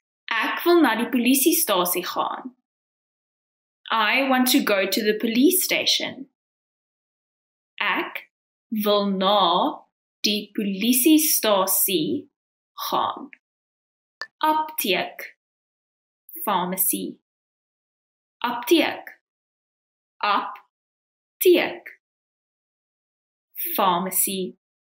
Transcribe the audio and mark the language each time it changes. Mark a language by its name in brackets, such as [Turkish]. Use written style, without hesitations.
[Afrikaans] Ek wil na die polisiestasie gaan. [English] I want to go to the police station. [Afrikaans] Ek wil na die polisiestasie gaan. Apteek. Pharmacy. Apteek. Apteek. Pharmacy.